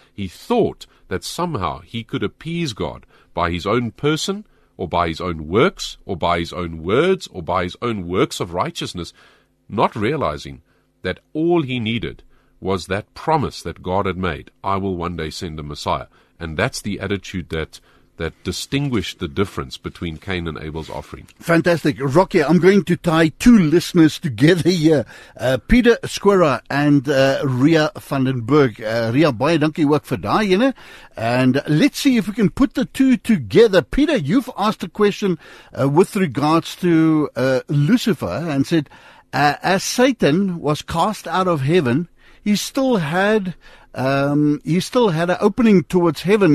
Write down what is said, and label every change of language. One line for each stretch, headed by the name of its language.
English: He thought that somehow he could appease God by his own person, or by his own works, or by his own words, or by his own works of righteousness, not realizing that all he needed was that promise that God had made, I will one day send a Messiah. And that's the attitude that distinguished the difference between Cain and Abel's offering. Fantastic. Rocky, I'm going to tie two listeners together here. Peter Squira and Ria van den Berg.
Afrikaans: Ria, baie dankie ook vir daai,
English: you know? And let's see if we can put the two together. Peter, you've asked a question with regards to Lucifer and said, as Satan was cast out of heaven, he still had an opening towards heaven.